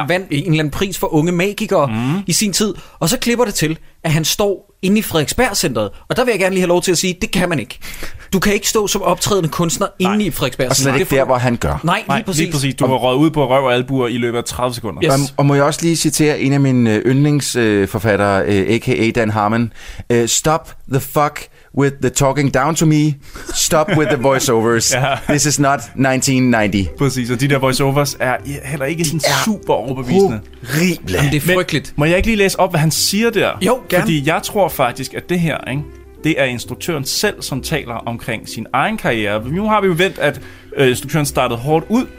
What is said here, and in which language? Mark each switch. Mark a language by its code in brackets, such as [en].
[da] Han vandt en eller anden pris for unge magikere i sin tid. Og så klipper det til, at han står inde i Frederiksberg-centret. Og der vil jeg gerne lige have lov til at sige, det kan man ikke. Du kan ikke stå som optrædende kunstner inde i Frederiksberg-centret. Og slet ikke der, hvor han gør. Nej, lige præcis. Du har røget ud på røv og albuer i løbet af 30 sekunder. Yes. Og må jeg også lige citere en af mine yndlingsforfattere, a.k.a. Dan Harmon. [en] Stop the fuck with the talking down to me. Stop with the voiceovers. [da] Ja. [en] This is not 1990. [da] Præcis, og de der voiceovers er heller ikke sådan super overbevisende. [en] Horrible. [da] Det er frygteligt. Men, må jeg ikke lige læse op, hvad han siger der? Jo, gerne. Fordi jeg tror faktisk, at det her, ikke, det er instruktøren selv, som taler omkring sin egen karriere. Nu har vi jo vendt, at instruktøren startede hårdt ud.